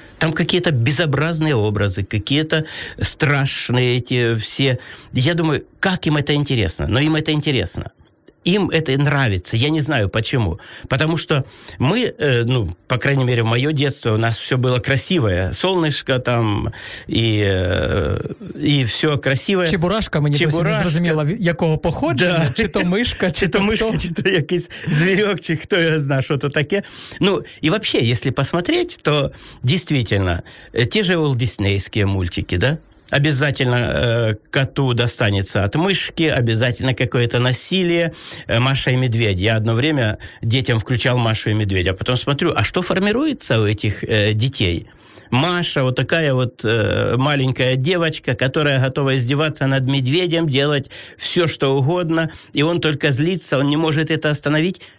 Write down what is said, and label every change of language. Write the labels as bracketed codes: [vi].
[ru] Там какие-то безобразные образы, какие-то страшные эти все. Я думаю, как им это интересно? Но им это интересно. им это нравится. Я не знаю, почему. Потому что мы, ну, по крайней мере, в мое детство у нас все было красивое. Солнышко там, и все красивое. [uk] Чебурашка, мені досі не зрозуміло, якого походження. [ru] Да. [uk] Чи то мишка, чи то мишка, чи то якийсь зверек, чи хто я знаю, що то таке. Ну, і взагалі, якщо посмотреть, то дійсно, ті же олдіснейські мультики, да? [ru] Обязательно коту достанется от мышки, обязательно какое-то насилие. Маша и медведь. Я одно время детям включал Машу и медведя, а потом смотрю, а что формируется у этих детей? Маша вот такая вот маленькая девочка, которая готова издеваться над медведем, делать все, что угодно, и он только злится, он не может это остановить.